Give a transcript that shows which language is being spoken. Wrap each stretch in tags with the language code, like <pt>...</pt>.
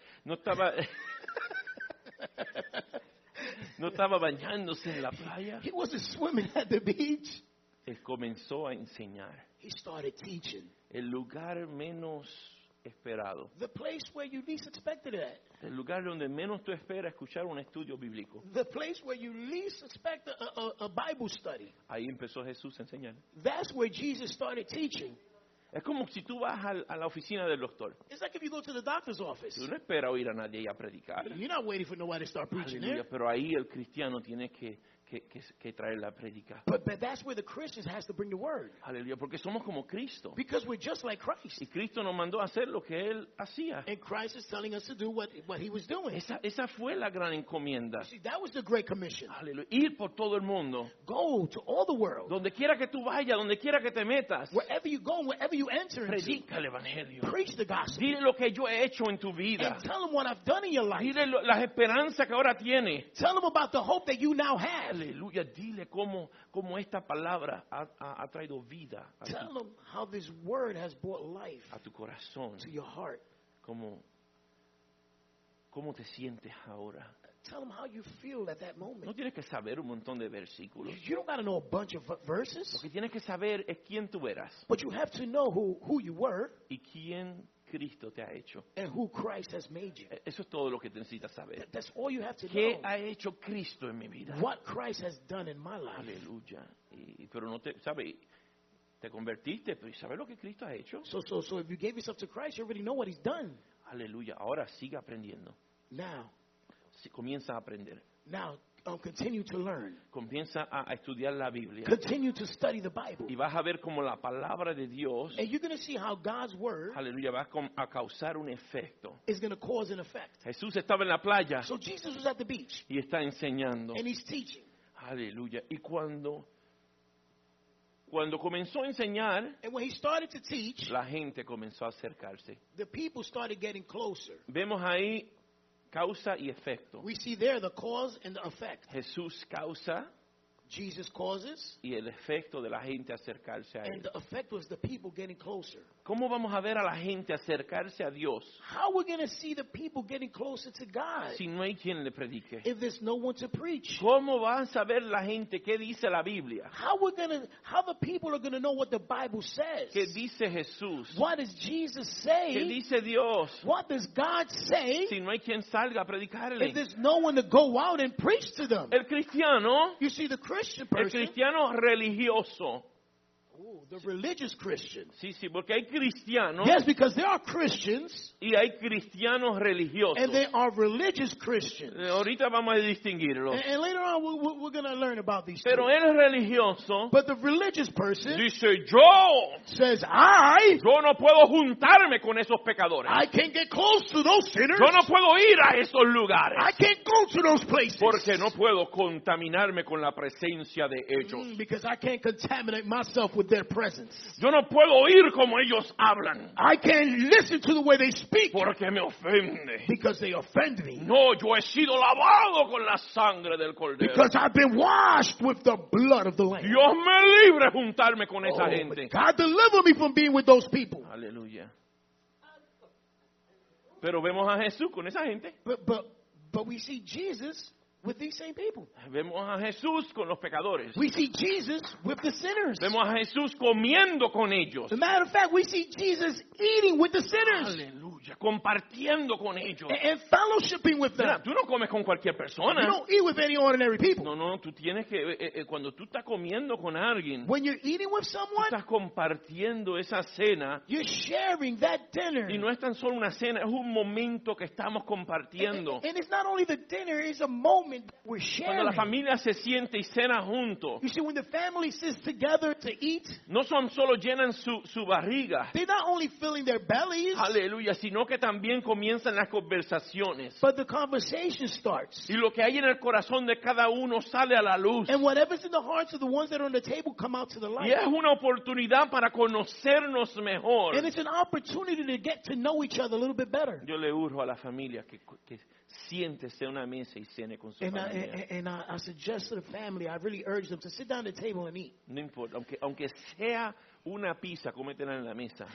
<es>No estaba no estaba bañándose en la playa.</es> <en>He wasn't swimming at the beach.</en> <es>Él comenzó a enseñar.</es> <en>He started teaching.</en> <es>El lugar menos esperado.</es> <en>The place where you least expected it.</en> <es>El lugar donde menos tú esperas escuchar un estudio bíblico.</es> <en>The place where you least expect a Bible study.</en> <es>Ahí empezó Jesús a enseñar.</es> <en>That's where Jesus started teaching.</en> <es>Es como si tú vas a la oficina del doctor.</es> <en>It's like if you go to the doctor's office.</en> <es>Tú no esperas oír a nadie y a predicar.</es> <en>You're not waiting for nobody to start preaching.</en> <es>Aleluya,</es> <en>there.</en> <es>Pero ahí el cristiano tiene que traer la predica.</es> <en>But that's where the Christian has to bring the word.</en> <es>Aleluya, porque somos como Cristo.</es> <en>Because we're just like Christ.</en> <es>Y Cristo nos mandó a hacer lo que él hacía.</es> <en>And Christ is telling us to do what he was doing.</en> <es>Esa fue la gran encomienda.</es> <en>You see, that was the great commission.</en> <es>Aleluya, ir por todo el mundo.</es> <en>Go to all the world.</en> <es>Donde quiera que tú vayas, donde quiera que te metas.</es> <en>Wherever you go, wherever you enter,</en> <es>predica el evangelio.</es> <en>Preach the gospel.</en> <es>Dile lo que yo he hecho en tu vida.</es> <en>And tell them what I've done in your life.</en> <es>Dile las esperanzas que ahora tiene.</es> <en>Tell them about the hope that you now have.</en> <es>Aleluya, dile cómo esta palabra ha traído vida a ti.</es> <en>Tell them how this word has brought life</en> <es>a tu corazón.</es> <en>To your heart.</en> <es>¿Cómo te sientes ahora?</es> <en>Tell them how you feel at that moment.</en> <es>No tienes que saber un montón de versículos.</es> <en>You don't got to know a bunch of verses.</en> <es>Lo que tienes que saber es quién tú eras.</es> <en>But you have to know who you were.</en> <es>Y quién Cristo te ha hecho.</es> <en>And who Christ has made you.</en> <es>Eso es todo lo que necesitas saber.</es> <en>That's all you have to</en> <es>¿Qué</es> <en>know.</en> <es>¿Qué ha hecho Cristo en mi vida?</es> <en>What Christ has done in my life.</en> <es>Aleluya. Pero no te, ¿sabes? Te convertiste, pero ¿sabes lo que Cristo ha hecho?</es> <en>So if you gave yourself to Christ, you already know what he's done.</en> <es>Aleluya. Ahora sigue aprendiendo.</es> <en>Now.</en> <es>Comienza a aprender.</es> <en>Now, Continue to learn.</en> <es>Comienza a estudiar la Biblia.</es> <en>Continue to study the Bible.</en> <es>Y vas a ver cómo la palabra de Dios.</es> <en>And you're going to see how God's word.</en> <es>Aleluya, va a causar un efecto.</es> <en>Is going to cause an effect.</en> <es>Jesús estaba en la playa.</es> <en>So Jesus was at the beach.</en> <es>Y está enseñando.</es> <en>And he's teaching.</en> <es>Aleluya. Y cuando comenzó a enseñar,</es> <en>and when he started to teach,</en> <es>la gente comenzó a acercarse.</es> <en>The people started getting closer.</en> <es>Vemos ahí causa y efecto.</es> <en>We see there the cause and the effect.</en> <es>Jesús causa.</es> <en>Jesus causes.</en> <es>Y el efecto de la gente acercarse a él.</es> <en>And the effect was the people getting closer.</en> <es>¿Cómo vamos a ver a la gente acercarse a Dios?</es> <en>How are we going to see the people getting closer to God?</en> <es>Si no hay quien le predique.</es> <en>If there's no one to preach.</en> <es>¿Cómo vas a ver la gente qué dice la Biblia?</es> <en>How the people are going to know what the Bible says?</en> <es>¿Qué dice Jesús?</es> <en>What does Jesus say?</en> <es>¿Qué dice Dios?</es> <en>What does God say?</en> <es>Si no hay quien salga a predicarle.</es> <en>If there's no one to go out and preach to them.</en> <es>El cristiano.</es> <en>You see the Christian person.</en> <es>El cristiano religioso.</es> <en>The religious Christians.</en> <es>Sí, sí, porque hay cristianos.</es> <en>Yes, because there are Christians.</en> <es>Y hay cristianos religiosos.</es> <en>And there are religious Christians.</en> <es>Ahorita vamos a distinguirlos.</es> <en>And later on we're going to learn about these.</en> <es>Pero el religioso.</es> <en>But the religious person.</en> <es>Dice yo.</es> <en>Says I.</en> <es>Yo no puedo juntarme con esos pecadores.</es> <en>I can't get close to those sinners.</en> <es>Yo no puedo ir a esos lugares.</es> <en>I can't go to those places.</en> <es>Porque no puedo contaminarme con la presencia de ellos.</es> <en>Because I can't contaminate myself with their presence.</en> <es>Yo no puedo oír como ellos hablan.</es> <en>I can't listen to the way they speak.</en> <es>Porque me ofende.</es> <en>Because they offend me.</en> <es>No, yo he sido lavado con la sangre del cordero.</es> <en>Because I've been washed with the blood of the lamb.</en> <es>Dios me libre juntarme con esa gente.</es> <en>God deliver me from being with those people.</en> <es>Aleluya. Pero vemos a Jesús con esa gente.</es> <en>But we see Jesus with these same people.</en> <es>Vemos a Jesús con los pecadores.</es> <en>We see Jesus with the sinners.</en> <es>Vemos a Jesús comiendo con ellos.</es> <en>As a matter of fact, we see Jesus eating with the sinners.</en> <es>Aleluya. Compartiendo con ellos.</es> <en>And fellowshipping with them.</en> <es>Mira, tú no comes con cualquier persona.</es> <en>You don't eat with any ordinary people.</en> <es>No, tú tienes que cuando tú estás comiendo con alguien.</es> <en>When you're eating with someone.</en> <es>Estás compartiendo esa cena.</es> <en>You're sharing that dinner.</en> <es>Y no es tan solo una cena, es un momento que estamos compartiendo.</es> <en>And it's not only the dinner, it's a moment. We're sharing.</en> <es>Cuando la familia se siente y cena junto,</es> <en>you see, when the family sits together to eat,</en> <es>no son solo llenan su barriga,</es> <en>they're not only filling their bellies,</en> <es>aleluya, sino que también comienzan las conversaciones,</es> <en>but the conversation starts,</en> <es>y lo que hay en el corazón de cada uno sale a la luz,</es> <en>and whatever's in the hearts of the ones that are on the table come out to the light,</en> <es>y es una oportunidad para conocernos mejor,</es> <en>and it's an opportunity to get to know each other a little bit better.</en> <es>Yo le urjo a la familia que siéntese a una mesa y cene con su familia.</es> <en>And I suggest to the family, I really urge them to sit down at the table and eat.</en> <es>No importa, aunque sea una pizza, cómetela en la mesa.</es>